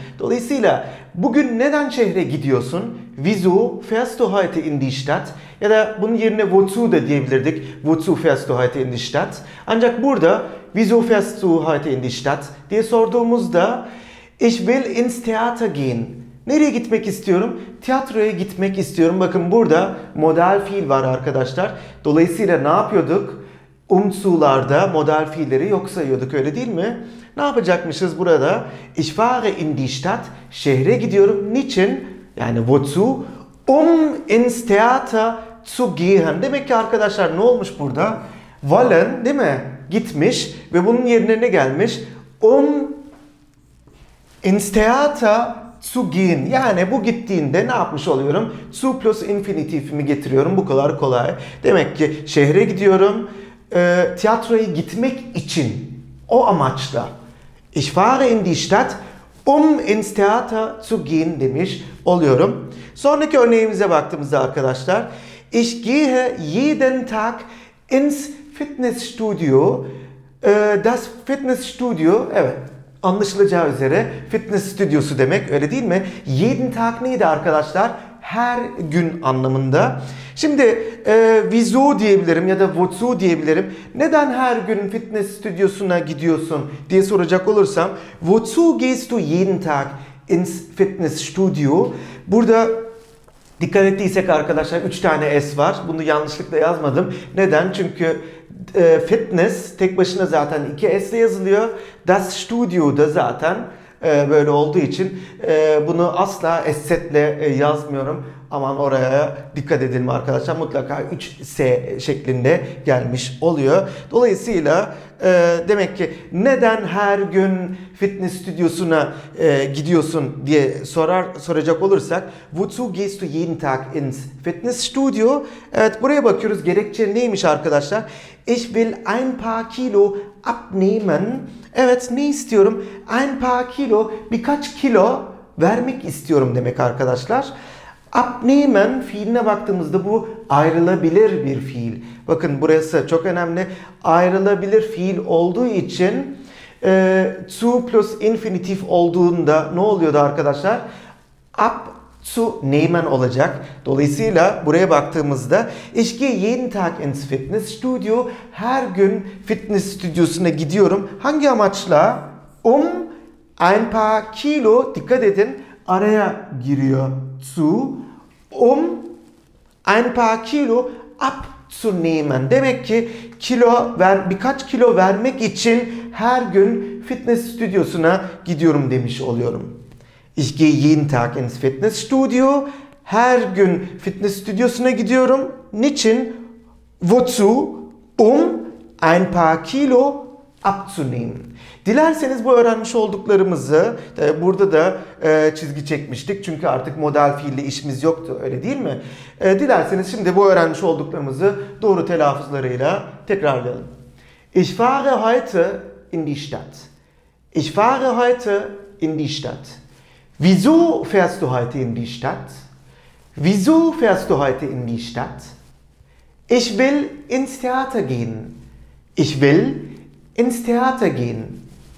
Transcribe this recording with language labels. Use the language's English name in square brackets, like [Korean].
[Turkish] Dolayısıyla bugün neden şehre gidiyorsun? [German] Wieso fährst du heute in die Stadt? [Turkish] Ya da bunun yerine wozu da diyebilirdik. [German] Wozu fährst du heute in die Stadt? [Turkish] Ancak burada [German] wieso fährst du heute in die Stadt [Turkish] diye sorduğumuzda [German] ich will ins Theater gehen. [Turkish] Nereye gitmek istiyorum? Tiyatroya gitmek istiyorum. Bakın burada modal fiil var arkadaşlar. Dolayısıyla ne yapıyorduk? Umzularda modal fiilleri yok sayıyorduk, öyle değil mi? Ne yapacakmışız burada? [German] Ich fahre in die Stadt. [Turkish] Şehre gidiyorum. Niçin? Yani wozu? [German] Um ins Theater zu gehen. [Turkish] Demek ki arkadaşlar ne olmuş burada? Wollen, değil mi? Gitmiş ve bunun yerine ne gelmiş? [German] Um ins Theater zu gehen. [Turkish] Yani bu gittiğinde ne yapmış oluyorum? Zu plus infinitifimi getiriyorum. Bu kadar kolay. Demek ki şehre gidiyorum. Tiyatroya gitmek için. O amaçla. [German] Ich fahre in die Stadt, um ins Theater zu gehen [Turkish] demiş oluyorum. Sonraki örneğimize baktığımızda arkadaşlar. [German] Ich gehe jeden Tag ins Fitnessstudio. Das Fitnessstudio, [Turkish] evet. Anlaşılacağı üzere fitness stüdyosu demek, öyle değil mi? Jeden Tag neydi arkadaşlar? Her gün anlamında. Şimdi wieso diyebilirim ya da wozu diyebilirim. Neden her gün fitness stüdyosuna gidiyorsun diye soracak olursam, [German] wozu gehst du jeden Tag ins Fitnessstudio? [Turkish] Burada dikkat ettiysek arkadaşlar 3 tane S var. Bunu yanlışlıkla yazmadım. Neden? Çünkü fitness tek başına zaten 2 S ile yazılıyor. Das Studio da zaten böyle olduğu için bunu asla SZ ile yazmıyorum. Aman oraya dikkat edin arkadaşlar. Mutlaka 3 S şeklinde gelmiş oluyor. Dolayısıyla demek ki neden her gün fitness stüdyosuna gidiyorsun diye soracak olursak, [German] wozu gehst du jeden Tag ins Fitnessstudio? [Turkish] Evet, buraya bakıyoruz. Gerekçe neymiş arkadaşlar? [German] Ich will ein paar kilo abnehmen. [Turkish] Evet, ne istiyorum? [German] Ein paar kilo, [Turkish] birkaç kilo vermek istiyorum demek arkadaşlar. Abnehmen fiiline baktığımızda bu ayrılabilir bir fiil. Bakın burası çok önemli. Ayrılabilir fiil olduğu için zu plus infinitif olduğunda ne oluyordu arkadaşlar? [German] Ab zu nehmen [Turkish] olacak. Dolayısıyla buraya baktığımızda [German] ich gehe jeden Tag ins Fitnessstudio. [Turkish] Her gün fitness stüdyosuna gidiyorum. Hangi amaçla? [German] Um ein paar kilo, [Turkish] dikkat edin, araya giriyor. [German] Zu, um ein paar kilo abzunehmen. [Turkish] Demek ki kilo ver, birkaç kilo vermek için her gün fitness stüdyosuna gidiyorum demiş oluyorum. [German] Ich gehe jeden Tag ins Fitnessstudio. [Turkish] Her gün fitness stüdyosuna gidiyorum. Niçin? Wozu? [German] Um ein paar kilo abzunehmen. [Turkish] Dilerseniz bu öğrenmiş olduklarımızı burada da çizgi çekmiştik. Çünkü artık modal fiille işimiz yoktu, öyle değil mi? Dilerseniz şimdi bu öğrenmiş olduklarımızı doğru telaffuzlarıyla tekrarlayalım. [German] Ich fahre heute in die Stadt. Ich fahre heute in die Stadt. Wieso fährst du heute in die Stadt? Wieso fährst du heute in die Stadt? Ich will ins Theater gehen. Ich will ins Theater gehen.